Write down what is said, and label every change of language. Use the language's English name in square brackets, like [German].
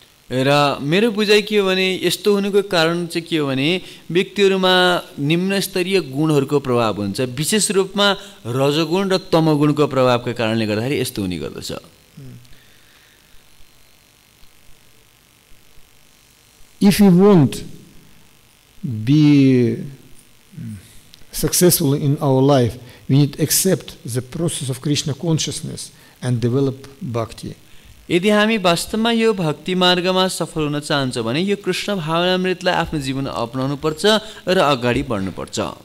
[Nepali] र मेरो बुझाइ के हो भने यस्तो हुनुको कारण चाहिँ के हो भने व्यक्तिहरूमा निम्न स्तरीय गुणहरूको प्रभाव हुन्छ विशेष रूपमा रजोगुण र तमगुणको प्रभावको कारणले गर्दाखेरि यस्तो हुने गर्दछ. [English] If you want be successful in our life we need accept the process of Krishna consciousness and develop bhakti. [Nepali] यदि हामी वास्तवमा यो भक्ति मार्गमा सफल हुन चाहन्छौँ भने यो कृष्ण भावनामृतलाई आफ्नो जीवनमा अपनाउनु पर्छ र अगाडि बढ्नुपर्छ.